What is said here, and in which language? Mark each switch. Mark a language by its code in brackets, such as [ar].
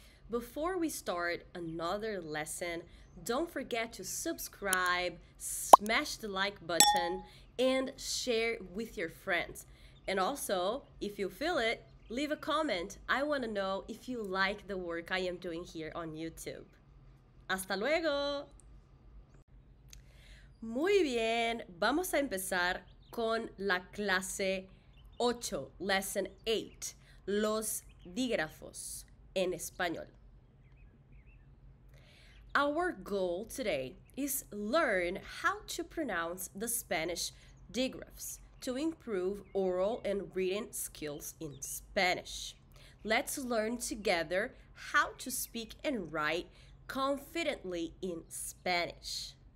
[en] Before we start another lesson, don't forget to subscribe, smash the like button, and share with your friends. And also, if you feel it, leave a comment. I want to know if you like the work I am doing here on YouTube. [es] ¡Hasta luego! Muy bien, vamos a empezar con la clase 8, lesson 8, los dígrafos en español. [en] Our goal today is learn how to pronounce the Spanish digraphs to improve oral and reading skills in Spanish. Let's learn together how to speak and write confidently in Spanish.